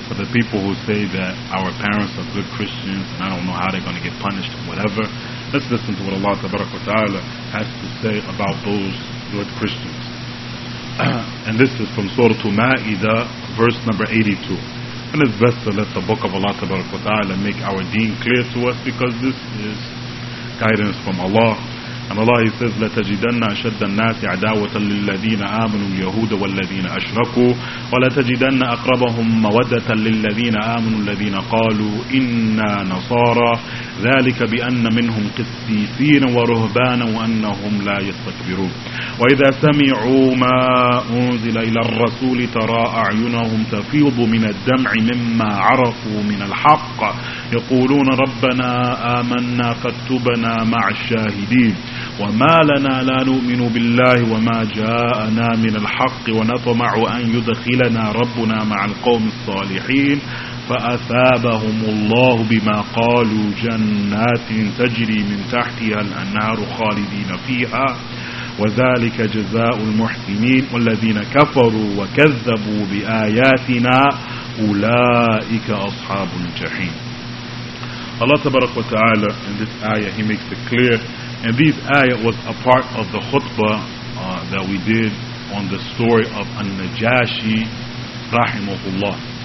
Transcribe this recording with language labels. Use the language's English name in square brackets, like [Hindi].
[English] People who say that our parents are good Christians and I don't know how they're going to get punished or whatever, let's listen to what Allah Tabaraka wa Ta'ala has to say about those good Christians. And this is from Surah Al-Ma'idah, verse number 82. And it's best to let the book of Allah Tabaraka wa Ta'ala make our deen clear to us, because this is guidance from Allah. And Allah, He says, [Arabic] لَتَجِدَنَّ أَشَدَّ النَّاسِ عَدَاوَةً لِلَّذِينَ آمَنُوا الْيَهُودَ وَالَّذِينَ أَشْرَكُوا وَلَتَجِدَنَّ أَقْرَبَهُمْ مَوَدَّةً لِلَّذِينَ آمَنُوا الَّذِينَ قَالُوا إِنَّا نَصَارَى ذَلِكَ بِأَنَّ مِنْهُمْ قِسِّيسِينَ وَرُهْبَانًا وَأَنَّهُمْ لَا يَسْتَكْبِرُونَ وَإِذَا سَمِعُوا مَا أُنْزِلَ إِلَى الرَّسُولِ تَرَى أَعْيُنَهُمْ تَفِيضُ مِنَ الدَّمْعِ مِمَّا عَرَفُوا مِنَ الْحَقِّ يَقُولُونَ رَبَّنَا آمَنَّا فَاكْتُبْنَا مَعَ الشَّاهِدِينَ وما لنا لا نؤمن بالله وما جاءنا من الحق ونطمع أن يدخلنا ربنا مع القوم الصالحين فأثابهم الله بما قالوا جنات تجري من تحتها الأنهار خالدين فيها وذلك جزاء المحسنين والذين كفروا وكذبوا بآياتنا أولئك أصحاب الجحيم. الله تبارك وتعالى [English] in this ayah he makes it clear. And these ayah was a part of the khutbah that we did on the story of An-Najashi rahimahullah.